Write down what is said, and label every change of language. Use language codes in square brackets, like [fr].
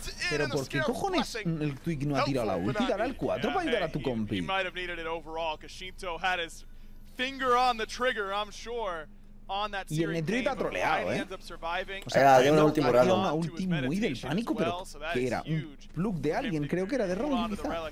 [es] Pero ¿por qué cojones el Twig no ha tirado la ulti? Dará el 4 para ayudar a tu compi. [en] He might have needed it overall, because Shinto had his finger on the trigger, I'm sure. [es] Y el Nedrit ha troleado, ¿eh? O sea, tiene un último rato. Una ulti muy del pánico, pero ¿qué era? Un plug de alguien, creo que era de Ron, quizá.